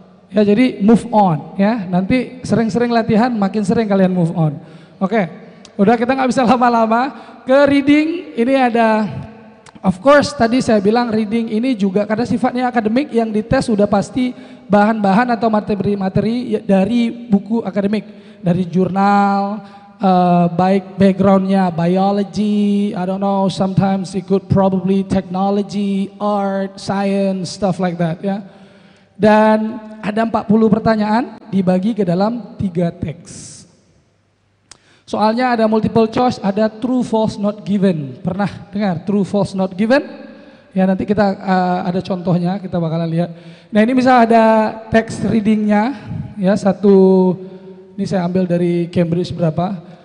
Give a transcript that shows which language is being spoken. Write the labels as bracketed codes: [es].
[id] Ya, jadi move on. Ya. Nanti sering-sering latihan, makin sering kalian move on. Oke, udah kita gak bisa lama-lama. Ke reading, ini ada, [en] of course [id] tadi saya bilang reading ini juga, karena sifatnya akademik yang dites sudah pasti bahan-bahan atau materi-materi dari buku akademik. Dari jurnal, baik backgroundnya [en] biology, I don't know, sometimes it could probably technology, art, science, stuff like that, ya. [id] Dan ada 40 pertanyaan dibagi ke dalam 3 teks. Soalnya ada multiple choice, ada true false not given. Pernah dengar true false not given? Ya, nanti kita ada contohnya, kita bakalan lihat. Nah, ini misal ada teks readingnya, ya, satu ini saya ambil dari Cambridge berapa.